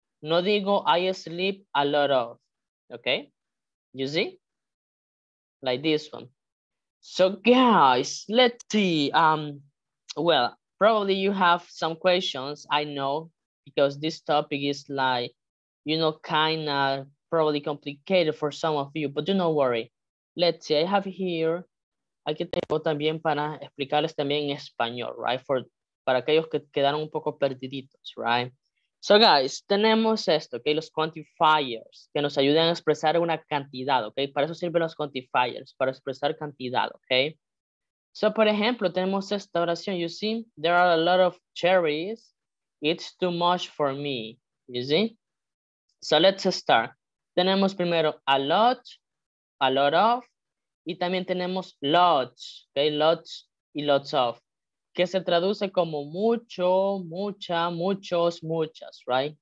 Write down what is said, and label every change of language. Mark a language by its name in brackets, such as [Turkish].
[Spanish] No digo [English] I sleep a lot of. Okay? You see? like this one. So guys, let's see. Well, probably you have some questions, I know, because this topic is like, you know, kind of probably complicated for some of you, but do not worry. Let's see, I have here, [Spanish] aquí tengo también para explicarles también en español, right? For, para aquellos que quedaron un poco perdiditos, right? So guys, tenemos esto, okay? Los quantifiers, que nos ayudan a expresar una cantidad, okay? Para eso sirven los quantifiers, para expresar cantidad, okay? So, por ejemplo, tenemos esta oración, you see? [English] There are a lot of cherries, it's too much for me, you see? So let's start. [Spanish] Tenemos primero a lot of, y también tenemos lots, okay? Lots y lots of, que se traduce como mucho, mucha, muchos, muchas, right?